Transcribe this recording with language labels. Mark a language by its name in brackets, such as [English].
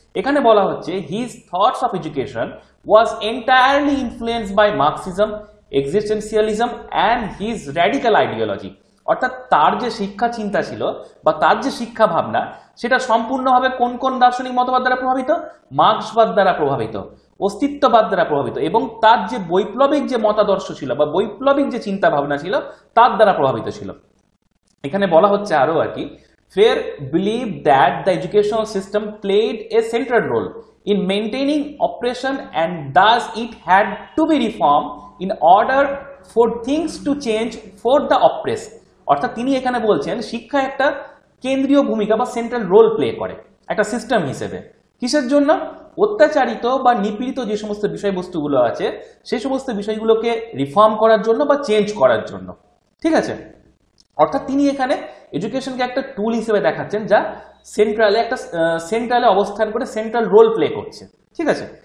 [Bangla] এখানে বলা হচ্ছে [English] his thoughts of education was entirely influence by Marxism, existentialism and his radical ideology, [Bangla] অর্থাৎ তার যে শিক্ষা চিন্তা ছিল বা তার যে শিক্ষা ভাবনা সেটা সম্পূর্ণভাবে কোন কোন দার্শনিক মতবাদ দ্বারা প্রভাবিত? মার্ক্সবাদ দ্বারা প্রভাবিত, অস্তিত্ববাদ দ্বারা প্রভাবিত, এবং তার যে বৈপ্লবিক যে মতাদর্শ ছিল বা বৈপ্লবিক যে চিন্তা ভাবনা ছিল তার দ্বারা প্রভাবিত ছিল। এখানে বলা হচ্ছে আরও আর কি, [English] Freire believed that the educational system played a central role in maintaining oppression and thus it had to be reformed in order for things to change for the oppressed. [Bangla] অর্থাৎ তিনি এখানে বলছেন শিক্ষা একটা কেন্দ্রীয় ভূমিকা বা সেন্ট্রাল রোল প্লে করে একটা সিস্টেম হিসেবে। কিসের জন্য? অত্যাচারিত বা নিপীড়িত যে সমস্ত বিষয়বস্তুগুলো আছে সেই সমস্ত বিষয়গুলোকে রিফর্ম করার জন্য বা চেঞ্জ করার জন্য, ঠিক আছে? অর্থাৎ তিনি এখানে এডুকেশনকে একটা টুল হিসেবে দেখাচ্ছেন যা সেন্ট্রালে একটা সেন্ট্রালে অবস্থান করে সেন্ট্রাল রোল প্লে করছে, ঠিক আছে?